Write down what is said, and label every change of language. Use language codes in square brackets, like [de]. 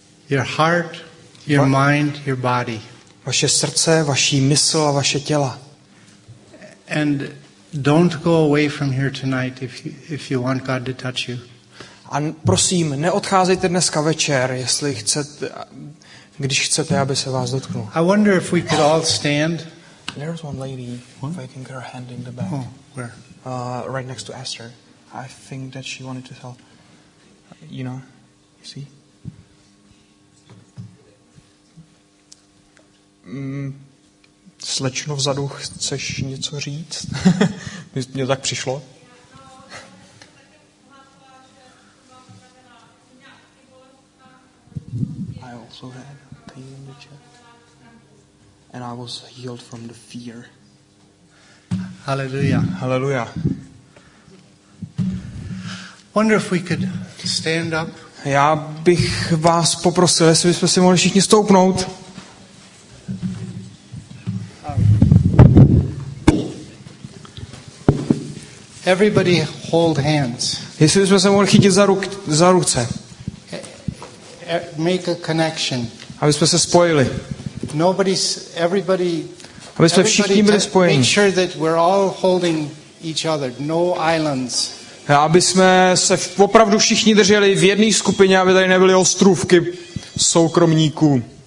[en] Your heart, your mind, your body. [cs] Vaše srdce, vaši mysl a vaše těla. [en] And don't go away from here tonight if you want God to touch you. [cs] A prosím, neodcházejte dneska večer, jestli chcete, když chcete, aby se vás dotknul. [en] I wonder if we could all stand. There's one lady. What? If I can get her hand in the back. Oh, where? Right next to Esther. I think that she wanted to help. You know, you see? [cs] Slečno vzadu, chceš něco říct? Mně tak přišlo. [en] I also had pain in the chest. And I was healed from the fear. Hallelujah. Hallelujah. Wonder if we could stand up. [cs] Já bych vás poprosil, jestli bychom si mohli všichni stoupnout. [en] Everybody hold hands. [cs] Jestli bychom se mohli chytit za ruce. [en] Make a connection. [cs] Aby jsme se spojili. [en] Nobody's everybody. [cs] Aby jsme všichni byli spojeni. [en] Make sure that we're all holding each other. No islands. [cs] Aby jsme se opravdu všichni drželi v jedné skupině, aby tady nebyly ostrůvky soukromníků.